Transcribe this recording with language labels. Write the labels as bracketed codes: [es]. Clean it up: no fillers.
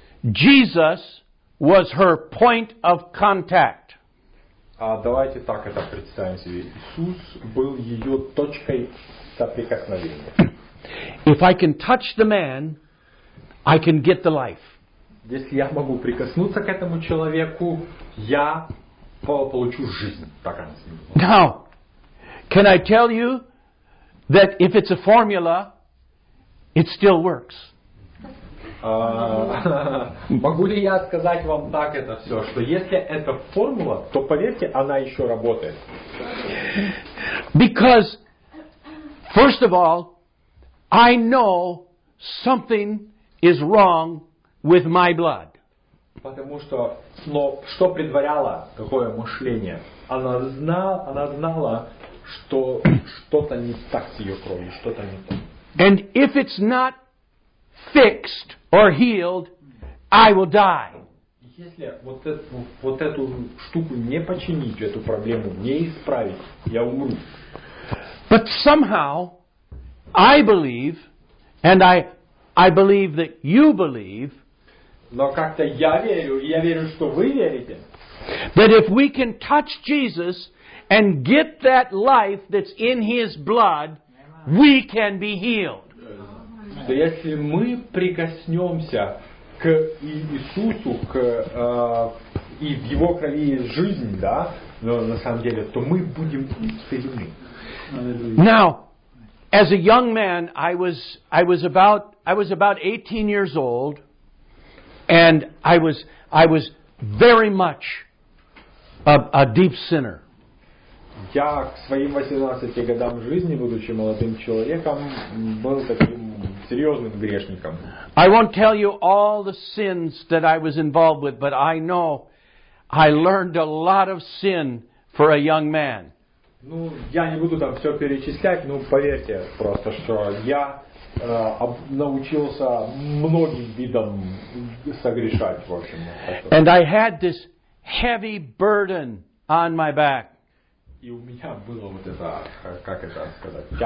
[en] Jesus was her point of contact. [ru] Давайте так это представим себе. Иисус был ее точкой соприкосновения. [en] If I can touch the man, I can get the life. [ru] Если я могу прикоснуться к этому человеку, я получу жизнь. Так она себе. [en] Now, can I tell you that if it's a formula, it still works. [ru] Могу ли я сказать вам так это все, что если это формула, то поверьте, она еще работает. [en] Because, first of all, I know something is wrong with my blood. [ru] Потому что, но что предваряло такое мышление? Она знала, что что-то не так с ее кровью, что-то не так. [en] And if it's not fixed or healed, I will die. [ru] Если вот эту штуку не починить, эту проблему не исправить, я умру. [en] But somehow, I believe, and I believe that you believe, [ru] но как-то я верю, и я верю, что вы верите, [en] that if we can touch Jesus and get that life that's in His blood, we can be healed. [ru] Что если мы прикоснемся к Иисусу, к и в Его крови есть жизнь, да, но на самом деле, то мы будем исцелены. [en] Now, as a young man, I was about 18 years old, and I was very much a deep sinner. [ru] Я к своим 18 годам жизни, будучи молодым человеком, был таким серьезным грешником. [en] I won't tell you all the sins that I was involved with, but I know I learned a lot of sin for a young man. [ru] Ну, я не буду там все перечислять, но поверьте просто, что я научился многим видам согрешать, в общем. [en] And I had this heavy burden on my back. [ru] И у меня было вот это, как это сказать,